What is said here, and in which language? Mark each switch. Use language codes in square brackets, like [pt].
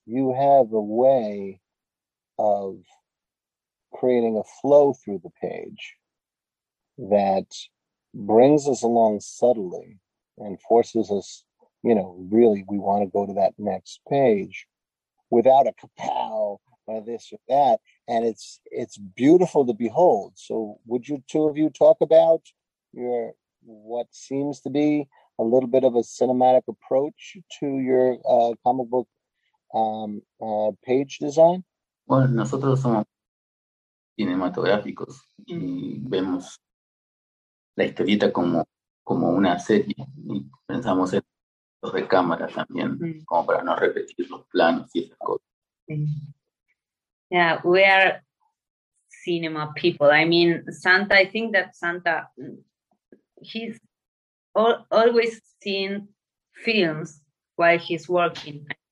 [en] You have a way of creating a flow through the page that brings us along subtly and forces us, you know, really, we want to go to that next page without a kapow or this or that. And it's beautiful to behold. So would you two of you talk about your what seems to be a little bit of a cinematic approach to your comic book page design? [es] Well, nosotros somos cinematográficos y vemos la historieta como una serie, y pensamos en los de cámara también, como para no repetir los planos y esas cosas. [en] Yeah, we are cinema people. I mean, Santa, I think that Santa, he's always seen films while he's working.